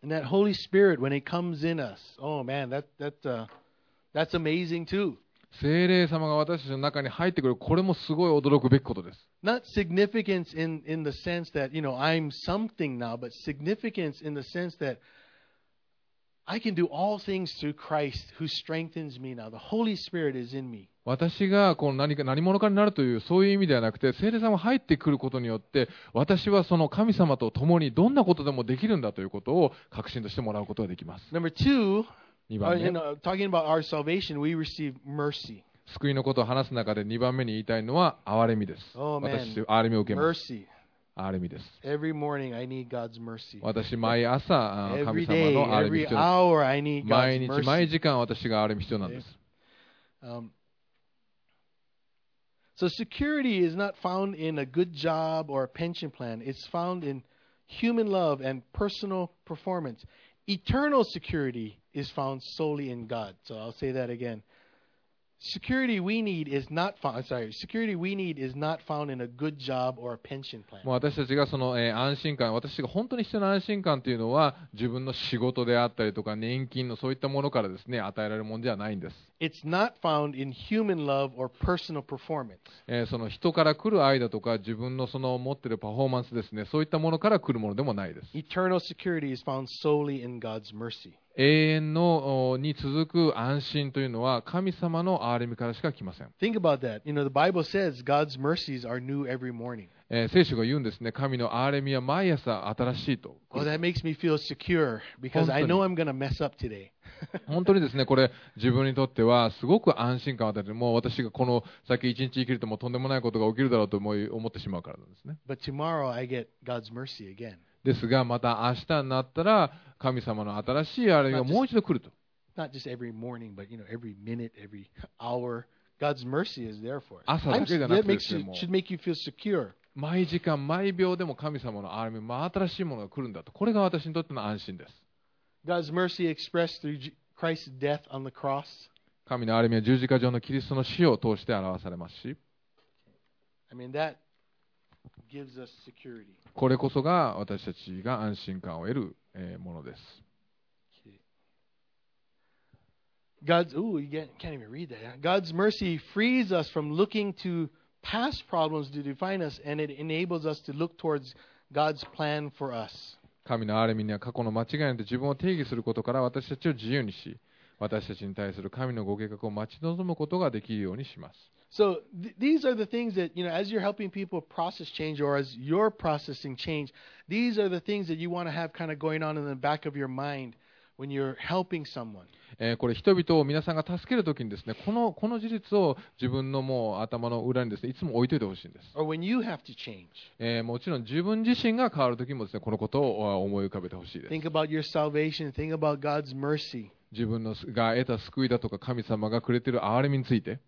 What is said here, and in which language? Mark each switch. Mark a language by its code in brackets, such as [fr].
[en] And that Holy Spirit, when it comes in us, oh man, that's amazing too. [ja] 聖霊様が私たちの中に入ってくる、これもすごい驚くべきことです。 [en] Not significance in the sense that, you know, I'm something now, but significance in the sense that I can do all things through Christ who strengthens me now. The Holy Spirit is in me. [ja] 私がこう 何者かになるというそういう意味ではなくて聖霊様が入ってくることによって私はその神様と共にどんなことでもできるんだということを確信としてもらうことができます。 [en] Number two, talking about our salvation, we receive mercy. [ja] 救いのことを話す中で2番目に言いたいのは憐れみです。 [en] Oh, man. [ja] 私憐れみを受けます。 [en] Mercy. [ja] 憐れみです。 [en] Every morning I need God's mercy. [ja] 私毎朝神様の憐れみ必要なんです。 [en] Every day, every hour I need God's mercy. [ja] 毎日毎時間私が憐れみ必要なんです。 [en] So security is not found in a good job or a pension plan. It's found in human love and personal performance. Eternal security.Is found solely in God. So I'll say that again. Security we need is not found, sorry, security we need is not found in a good job or a pension plan. [ja] もう私たちがその、安心感、私が本当に必要な安心感というのは、自分の仕事であったりとか、年金のそういったものからですね、与えられるものではないんです。 [en] It's not found in human love or personal performance. [ja] その人から来る愛だとか、自分のその持ってるパフォーマンスですね、そういったものから来るものでもないです。 [en] Eternal security is found solely in God's mercy. [ja] 永遠のに続く安心というのは神様の憐れみからしか来ません。 [en] Think about that. You know, the Bible says God's mercies are new every morning. [ja] 聖書が言うんですね。神の憐れみは毎朝新しいと。 [en] Well, that makes me feel secure because I know I'm going to mess up today. [ja] 本当にですね、これ自分にとってはすごく安心感を与える。もう私がこの先一日生きるともとんでもないことが起きるだろうと思ってしまうからなんですね。 [en] But tomorrow I get God's mercy again. [ja] ですがまた明日になったら神様の新しい憐れみがもう一度来ると。 [en] Not just every morning, but you know, every minute, every hour, God's mercy is there for it. [ja] 朝だけじゃなくてですね、 [en] should make you feel secure. [ja] 毎時間毎秒でも神様の憐れみ、まあ、新しいものが来るんだと。これが私にとっての安心です。 [en] God's mercy expressed through Christ's death on the cross. [ja] 神の憐れみは十字架上のキリストの死を通して表されますし。 [en] I mean that. Gives us security. [ja] これこそが私たちが安心感を得る、ものです。 [en] God's, ooh, you can't even read that. God's mercy frees us from looking to past problems to define us, and it enables us to look towards God's plan for us. [ja] 神の憐れみには過去の間違いによって自分を定義することから私たちを自由にし、私たちに対する神のご計画を待ち望むことができるようにします。 [en] So these are the things that, you know, as you're helping people process change or as you're processing change, these are the things that you want to have kind of going on in the back of your mind when you're helping someone. [ja] これ人々を皆さんが助けるときにですね、この事実を自分のもう頭の裏にですね、いつも置いておいてほしいんです。 [en] Or when you have to change. [ja] もちろん自分自身が変わるときもですね、このことを思い浮かべてほしいです。 [en] Think about your salvation. Think about God's mercy. [ja] 自分のが得た救いだとか神様がくれている憐れみについて。